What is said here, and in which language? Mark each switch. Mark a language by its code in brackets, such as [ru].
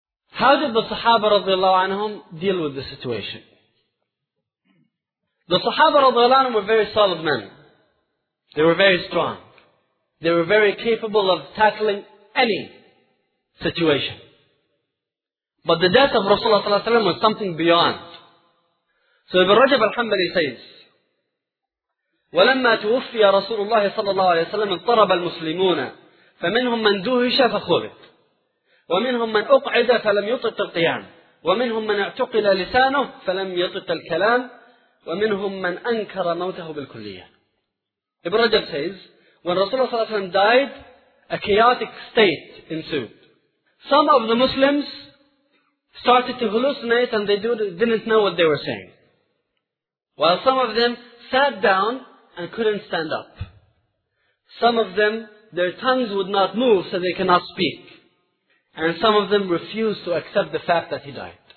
[en] How did the Sahaba radiallahu anhum deal with the situation? The Sahaba radiallahu anhum were very solid men. They were very strong. They were very capable of tackling any situation. But the death of Rasulullah sallallahu alayhi wa sallam was something beyond. So Ibn Rajab al-Hanbali says, [ar] وَلَمَّا تُوُفِّيَ رَسُولُ اللَّهِ صَلَّى اللَّهُ عَلَيْهِ وَسَلَّمَ اضْطَرَبَ الْمُسْلِمُونَ فَمِنْهُمْ مَنْ دُوهِشَ فَخُذِتْ وَمِنْهُمْ مَنْ أُقْعِدَ فَلَمْ يُطِقْ الْقِيَامَ وَمِنْهُمْ مَنْ اعْتُقِلَ لِسَانُهُ فَلَمْ يَطِقْ الْكَلَامَ وَمِنْهُمْ مَنْ أَنْكَرَ مَوْتَهُ بِالْكُلِّيَّةِ [en] Ibn Rajab says, when Rasulullah صلى الله عليه وسلم died, a chaotic state ensued. Some of the Muslims started to hallucinate and they didn't know what they were saying. While some of them sat down and couldn't stand up. Some of them, their tongues would not move so they cannot speak. And some of them refused to accept the fact that he died.